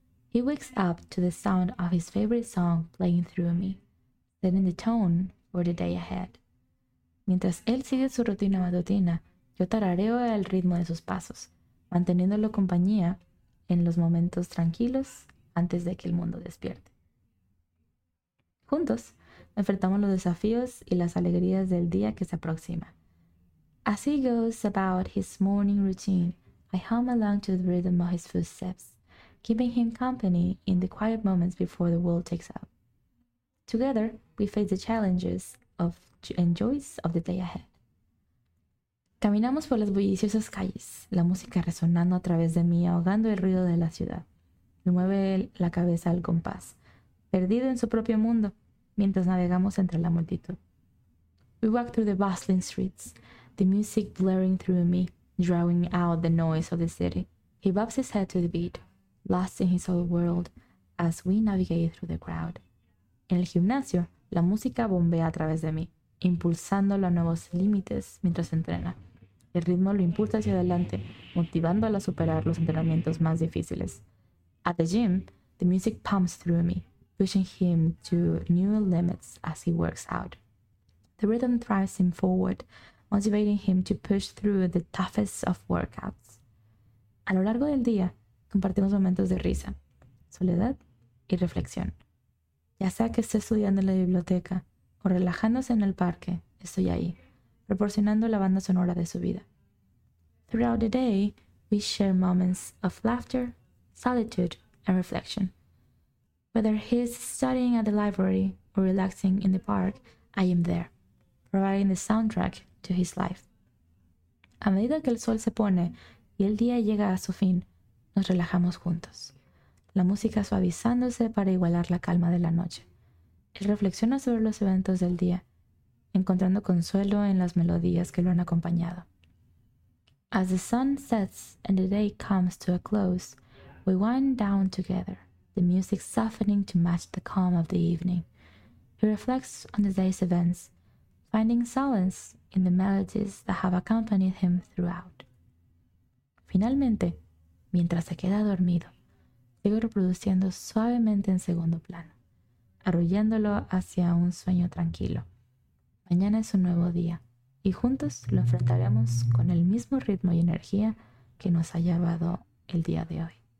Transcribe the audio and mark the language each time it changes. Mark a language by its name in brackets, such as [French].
[English] He wakes up to the sound of his favorite song playing through me, setting the tone for the day ahead. [Spanish] Mientras él sigue su rutina matutina, yo tarareo al ritmo de sus pasos, manteniéndolo compañía en los momentos tranquilos antes de que el mundo despierte. Juntos, enfrentamos los desafíos y las alegrías del día que se aproxima. [English] As he goes about his morning routine, I hum along to the rhythm of his footsteps, keeping him company in the quiet moments before the world takes off. Together, we face the challenges of and joys of the day ahead. [Spanish] Caminamos por las bulliciosas calles, la música resonando a través de mí, ahogando el ruido de la ciudad. Me mueve la cabeza al compás, perdido en su propio mundo, mientras navegamos entre la multitud. [English] We walk through the bustling streets, the music blaring through me, drowning out the noise of the city. He bobs his head to the beat, lost in his old world, as we navigate through the crowd. [Spanish] En el gimnasio, la música bombea a través de mí, impulsándolo a nuevos límites mientras entrena. El ritmo lo impulsa hacia adelante, motivándolo a superar los entrenamientos más difíciles. [English] At the gym, the music pumps through me, pushing him to new limits as he works out. The rhythm drives him forward, motivating him to push through the toughest of workouts. [Spanish] A lo largo del día, compartimos momentos de risa, soledad y reflexión. Ya sea que esté estudiando en la biblioteca, o relajándose en el parque, estoy ahí, proporcionando la banda sonora de su vida. [English] Throughout the day, we share moments of laughter, solitude, and reflection. Whether he's studying at the library or relaxing in the park, I am there, providing the soundtrack to his life. [Spanish] A medida que el sol se pone y el día llega a su fin, nos relajamos juntos, la música suavizándose para igualar la calma de la noche. Él reflexiona sobre los eventos del día, encontrando consuelo en las melodías que lo han acompañado. [English] As the sun sets and the day comes to a close, we wind down together, the music softening to match the calm of the evening. He reflects on the day's events, finding solace in the melodies that have accompanied him throughout. [Spanish] Finalmente, mientras se queda dormido, sigo reproduciendo suavemente en segundo plano, arrullándolo hacia un sueño tranquilo. Mañana es un nuevo día, y juntos lo enfrentaremos con el mismo ritmo y energía que nos ha llevado el día de hoy.